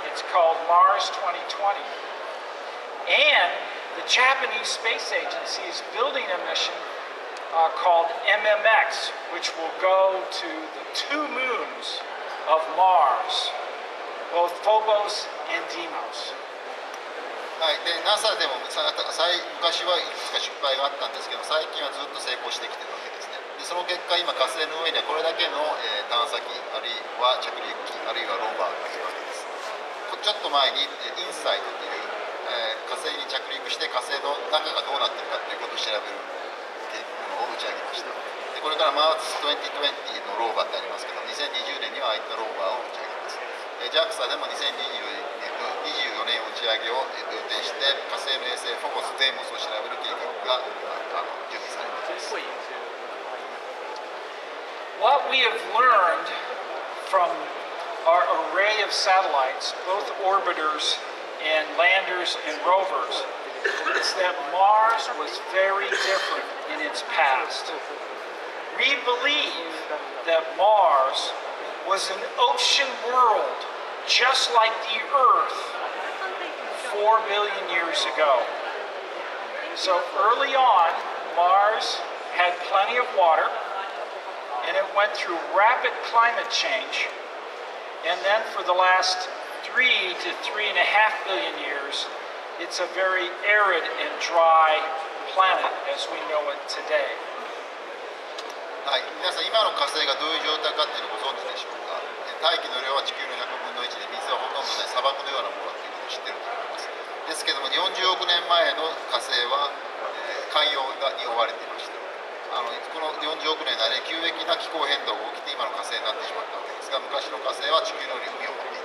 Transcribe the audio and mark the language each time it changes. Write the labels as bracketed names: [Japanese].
[English] It's called Mars 2020. AndThe Japanese Space Agency is building a mission called MMX, which will go to the two moons of Mars, both Phobos and Deimos. [Japanese] はい、で、NASA でも昔はいくつか失敗があったんですけど、最近はずっと成功してきてるわけですね。で、その結果、今火星の上にはこれだけの、探査機、あるいは着陸機、あるいはローバーがいるわけです。ちょっと前に、InSight という火星に着陸して火星の中がどうなっているかということを調べるというのを打ち上げました。でこれからマーズ2020のローバーってありますけど、2020年にはああいったローバーを打ち上げます。 JAXA でも2024年打ち上げを予定して、火星の衛星フォコス・デーモスを調べる計画が準備されています。 [English] What we have learned from our array of satellites, both orbiters and landers and rovers, is that Mars was very different in its past. We believe that Mars was an ocean world just like the Earth 4 billion years ago. So early on, Mars had plenty of water, and it went through rapid climate change, and then for the last 3 to 3.5 billion years, it's a very arid and dry planet as we know it today. [Japanese] はい、皆さん今の火星がどういう状態かっていうのをご存知でしょうか。大気の量は地球の100分の1で、水はほとんどない砂漠のようなものだということを知っていると思います。ですけども、40億年前の火星は、海洋に覆われていました。あのこの40億年で急激な気候変動が起きて今の火星になってしまったわけですが、昔の火星は地球のように海を。